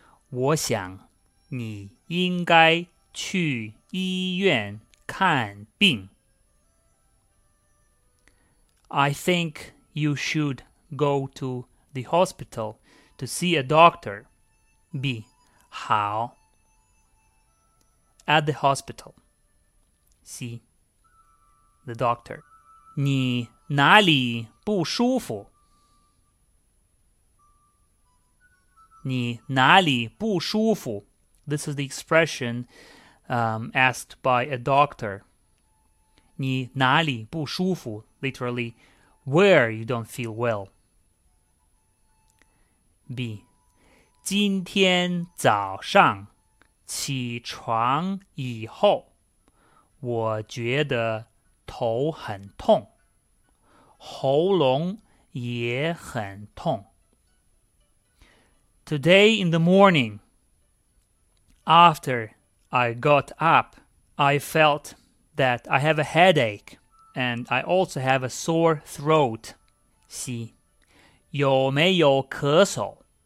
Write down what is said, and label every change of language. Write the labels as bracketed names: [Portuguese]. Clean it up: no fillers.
[Chinese] 我想你应该去医院看病。 [English] I think you should go to the hospital to see a doctor. [Chinese] B. 好。 [English] At the hospital. C. The doctor. [Chinese] 你哪里不舒服? 你哪里不舒服? [English] This is the expression asked by a doctor. [Chinese] 你哪里不舒服? [English] Literally, where you don't feel well. B. [Chinese] 今天早上起床以后，我觉得头很痛，喉咙也很痛。 [English] Today in the morning, after I got up, I felt that I have a headache and I also have a sore throat. [Chinese] C. 有没有咳嗽?